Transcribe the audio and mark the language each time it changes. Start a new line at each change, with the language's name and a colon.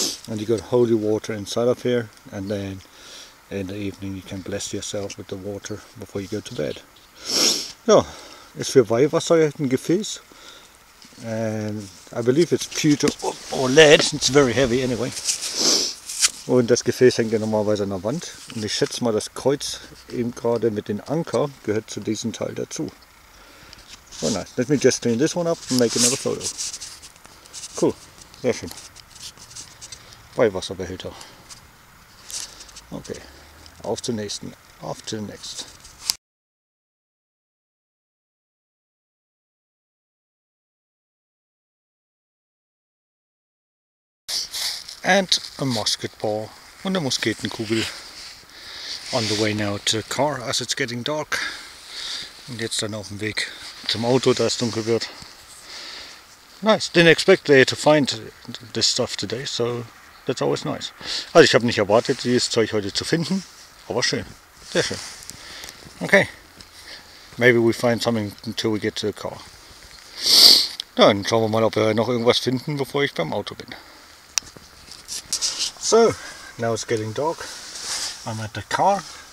English: And you got holy water inside of here. And then in the evening you can bless yourself with the water before you go to bed.
German: Ja, ist für Weihwasser ein Gefäß.
English: And I believe it's pewter or lead, it's very heavy anyway.
German: Und das Gefäß hängt ja normalerweise an der Wand. Und ich schätze mal, das Kreuz eben gerade mit dem Anker gehört zu diesem Teil dazu.
English: So nice. Let me just clean this one up and make another photo.
German: Cool. Sehr schön. Weihwasserbehälter. Okay. Auf zum nächsten. Auf zum nächsten.
English: and a musket ball
German: und eine Musketenkugel.
English: On the way now to the car as it's getting dark.
German: Und jetzt dann auf dem Weg zum Auto, da es dunkel wird.
English: Nice, didn't expect there to find this stuff today, so that's always nice.
German: Also ich habe nicht erwartet, dieses Zeug heute zu finden, aber schön, sehr schön.
English: Okay, maybe we find something until we get to the car.
German: Dann schauen wir mal, ob wir noch irgendwas finden, bevor ich beim Auto bin.
English: So, now it's getting dark. I'm at the car.